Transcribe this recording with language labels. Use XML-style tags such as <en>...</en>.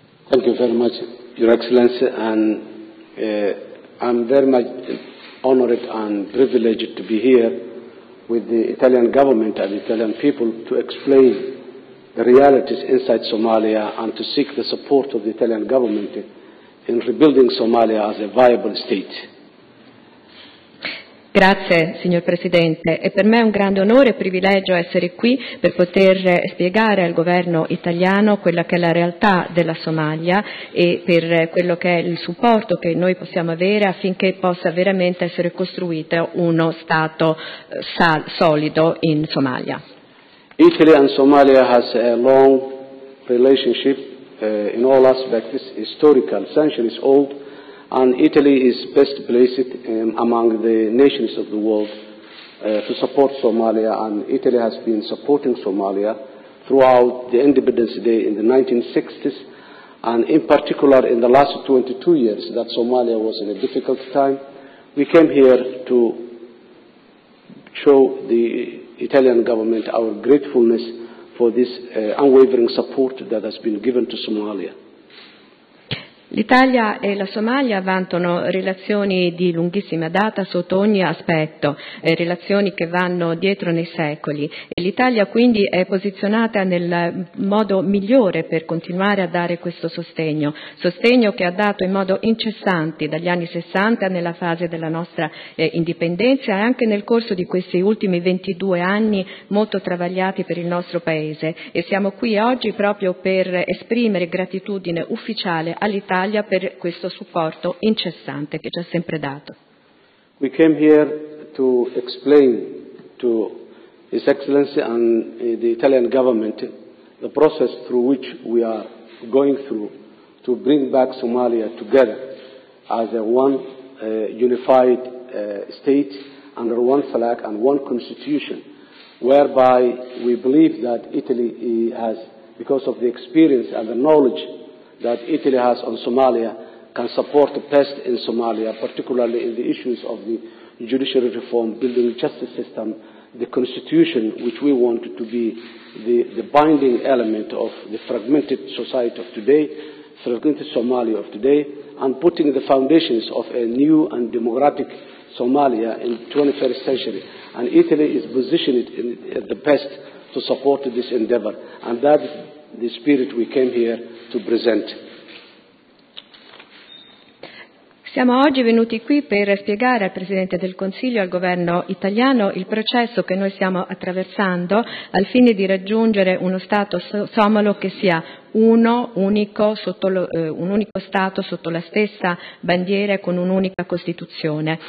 <en>Thank you very much, Your Excellency, and I'm very much honored and privileged to be here with the Italian government and the Italian people to explain the realities inside Somalia and to seek the support of the Italian government in rebuilding Somalia as a viable state.</en> <it>Grazie, signor Presidente. E per me è un grande onore e privilegio essere qui per poter spiegare al governo italiano quella che è la realtà della Somalia e per quello che è il supporto che noi possiamo avere affinché possa veramente essere costruito uno Stato solido in Somalia.</it> <en>Italy and Somalia has a long relationship in all aspects, historical, centuries old, and Italy is best placed among the nations of the world to support Somalia, and Italy has been supporting Somalia throughout the Independence Day in the 1960s, and in particular in the last 22 years that Somalia was in a difficult time. We came here to show the Italian government our gratefulness for this unwavering support that has been given to Somalia.</en> <it>L'Italia e la Somalia vantano relazioni di lunghissima data sotto ogni aspetto, relazioni che vanno dietro nei secoli. L'Italia quindi è posizionata nel modo migliore per continuare a dare questo sostegno, sostegno che ha dato in modo incessante dagli anni 60 nella fase della nostra indipendenza e anche nel corso di questi ultimi 22 anni molto travagliati per il nostro Paese. E siamo qui oggi proprio per esprimere gratitudine ufficiale all'Italia per questo supporto incessante che ci ha sempre dato.</it> <en>We came here to explain to His Excellency and the Italian government the process through which we are going through to bring back Somalia together as a one unified state under one flag and one constitution, whereby we believe that Italy has, because of the experience and the knowledge that Italy has on Somalia, can support the best in Somalia, particularly in the issues of the judiciary reform, building the justice system, the constitution, which we want to be the binding element of the fragmented society of today, fragmented Somalia of today, and putting the foundations of a new and democratic Somalia in the 21st century. And Italy is positioned at the best to support this endeavor. And that is the spirit we came here to present.</en> <it>Siamo oggi venuti qui per spiegare al Presidente del Consiglio e al Governo italiano il processo che noi stiamo attraversando al fine di raggiungere uno Stato somalo che sia un unico Stato sotto la stessa bandiera e con un'unica Costituzione.</it>